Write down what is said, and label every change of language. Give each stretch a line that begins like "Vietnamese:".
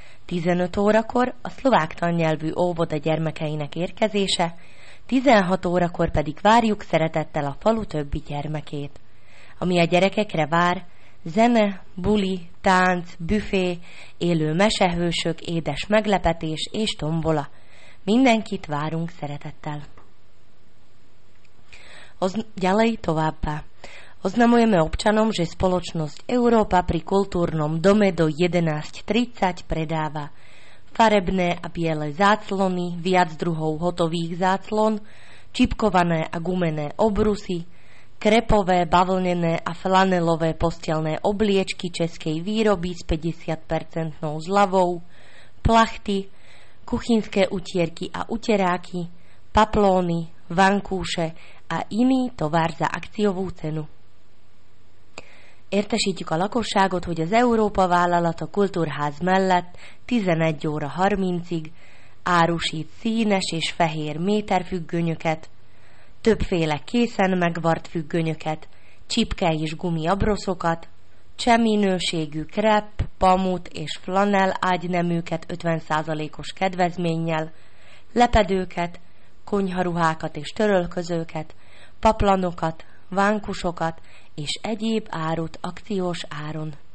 Hungarian: 15 órakor a szlovák tannyelvű óvoda gyermekeinek érkezése, 16 órakor pedig várjuk szeretettel a falu többi gyermekét. Ami a gyerekekre vár, zene, buli, tánc, büfé, élő mesehősök, édes meglepetés és tombola. Mindenkit várunk szeretettel.
Slovak: Ďalej továbbá. Oznamujeme občanom, že spoločnosť Európa pri kultúrnom dome do 11.30 predáva farebné a biele záclony, viac druhov hotových záclon, čipkované a gumené obrusy, krepové, bavlnené a flanelové postelné obliečky českej výroby s 50% zľavou, plachty, kuchynské utierky a uteráky, paplóny, vankúše a iný tovar za akciovú cenu.
Hungarian: Értesítjük a lakosságot, hogy az Európa vállalat a kultúrház mellett 11 óra 30-ig árusít színes és fehér méterfüggönyöket, többféle készen megvart függönyöket, csipke és gumi abroszokat, cseh minőségű krep, pamut és flanel ágyneműket 50%-os kedvezménnyel, lepedőket, konyharuhákat és törölközőket, paplanokat, vánkusokat és egyéb árut akciós áron.